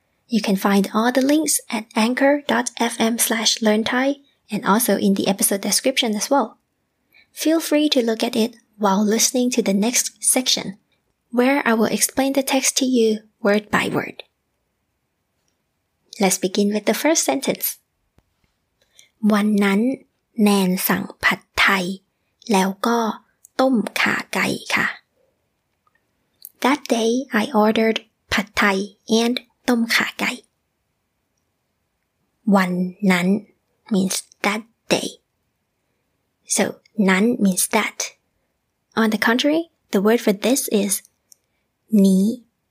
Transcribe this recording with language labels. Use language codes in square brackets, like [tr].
[en] You can find all the links at anchor.fm/learnthai and also in the episode description as well. Feel free to look at it while listening to the next section, where I will explain the text to you word by word. Let's begin with the first sentence. [th] วันนั้นแนนสั่งผัดไทยแล้วก็ต้มข่าไก่ค่ะ [en] That day, I ordered pad thai and tom kha kai. Wan nan means that day. So, nan means that. On the contrary, the word for this is ni.